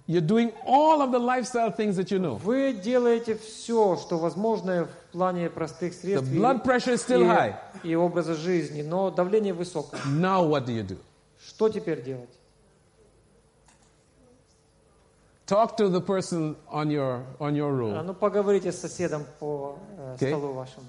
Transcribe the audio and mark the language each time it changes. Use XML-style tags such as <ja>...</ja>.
<en>You're doing all of the lifestyle things that you know.</en> <ru>Вы делаете все, что возможно в плане простых средств.</ru> <en>The blood pressure is still high.</en> <ru>И образа жизни, но давление высокое.</ru> <en>Now what do you do?</en> <ru>Что теперь делать?</ru> <en>Talk to the person on your row.</en> <ru>Ну, поговорите с соседом по столу вашему.</ru>